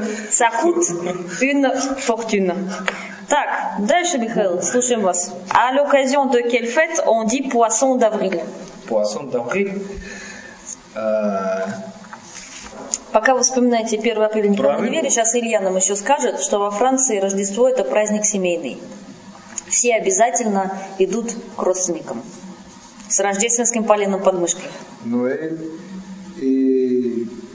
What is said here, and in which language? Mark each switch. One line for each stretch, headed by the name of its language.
French: Сакут une fortune.
Russian: Так, дальше, Михаил, слушаем вас.
French: À l'occasion de quelle fête on dit poisson d'avril? Poisson d'avril.
Russian: Пока вы вспоминаете 1 апреля, никому не верю. Сейчас Илья нам еще скажет, что во Франции Рождество это праздник семейный. Все обязательно идут к родственникам. С рождественским поленом под мышкой.
French: Noël и...